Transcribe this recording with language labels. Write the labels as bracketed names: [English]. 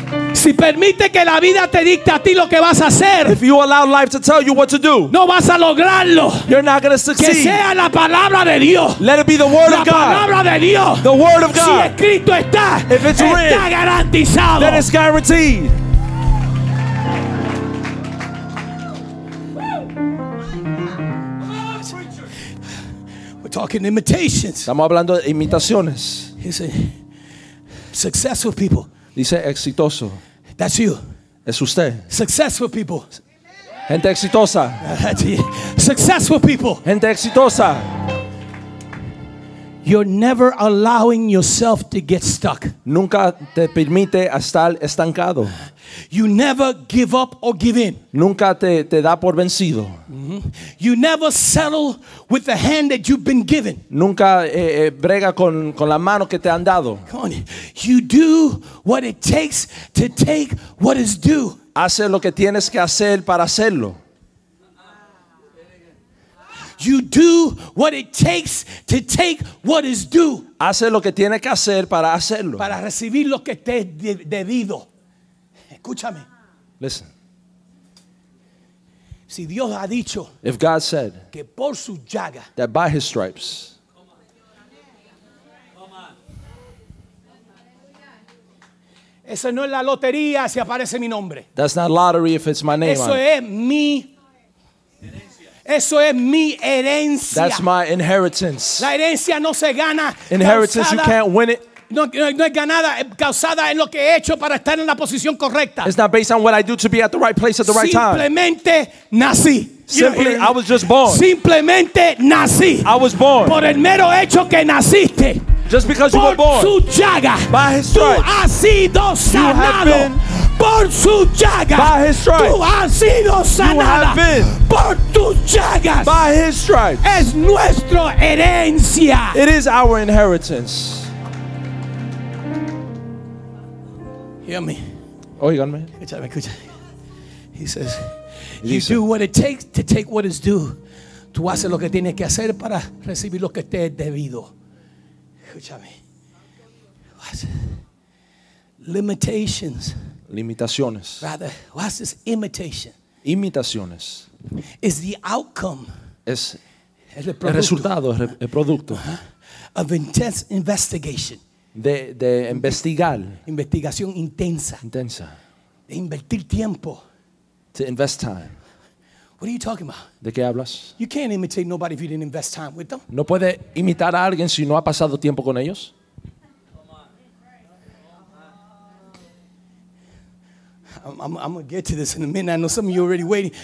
[Spanish] Si permite que la vida te dicte a ti lo que vas a hacer, [English] if you allow life to tell you what to do, [Spanish] no vas a lograrlo. [English] You're not going to succeed. [Spanish] Que sea la palabra de Dios. [English] Let it be the word of God. [Spanish] La palabra de Dios. [English] The word of God. [Spanish] Si escrito está, [English] if it's [Spanish] está [English] written, [Spanish] garantizado. [English] Then it's guaranteed. We're talking imitations. [Spanish] Estamos hablando de imitaciones. [English] He's a successful people. [Spanish] Dice exitoso. [English] That's you. [Spanish] Es usted. [English] Successful people. [Spanish] Gente exitosa. [English] Successful people. [Spanish] Gente exitosa. [English] You're never allowing yourself to get stuck. [Spanish] Nunca te permite estar estancado. [English] You never give up or give in. [Spanish] Nunca te da por vencido. Mm-hmm. [English] You never settle with the hand that you've been given. [Spanish] Nunca brega con la mano que te han dado. [English] Come on. You do what it takes to take what is due. [Spanish] Hace lo que tienes que hacer para hacerlo. [English] You do what it takes to take what is due. [Spanish] Hace lo que tiene que hacer para hacerlo. Para recibir lo que te es debido. Escúchame. [English] Listen. [Spanish] Si Dios ha dicho. [English] If God said. [Spanish] Que por su llaga. [English] That by his stripes. [Spanish] Eso no es la lotería si aparece mi nombre. [English] That's not lottery if it's my name. [Spanish] Eso es mi. Eso es mi herencia. [English] That's my inheritance. [Spanish] La herencia no se gana. [English] Inheritance, [Spanish] causada, [English] you can't win it. [Spanish] No es ganada, causada en lo que he hecho para estar en la posición correcta. [English] It's not based on what I do to be at the right place at the right time. [Spanish] Simplemente nací. [English] Simply, I was just born. [Spanish] Simplemente nací. [English] I was born. [Spanish] Por el mero hecho que naciste. [English] Just because you [Spanish] por [English] were born. [Spanish] Su llaga. [English] By his stripes. [Spanish] Tú has sido sanado. [English] You have been. [Spanish] Por su llaga. [English] By his stripes. [Spanish] Tú has sido sanada. [English] You have been. [Spanish] Por tus llagas. [English] By his stripes. [Spanish] Es nuestra herencia. [English] It is our inheritance. Hear me. [Spanish] Oiganme. Escúchame, escúchame. [English] He says, you do what it takes to take what is due. [Spanish] Tú haces lo que tienes que hacer para recibir lo que te es debido. Escúchame. [English] What? Limitations. [Spanish] Limitaciones. [English] Rather, what's this imitation? [Spanish] Imitaciones. [English] Is the outcome. [Spanish] Es el producto. El resultado, el producto. [English] Uh-huh. Of intense investigation. [Spanish] De investigar. Investigación intensa. Intensa. De invertir tiempo. [English] To invest time. What are you talking about? [Spanish] ¿De qué hablas? [English] You can't imitate nobody if you didn't invest time with them. [Spanish] No puede imitar a alguien si no ha pasado tiempo con ellos. [English] I'm going to get to this in a minute. I know some of you are already waiting.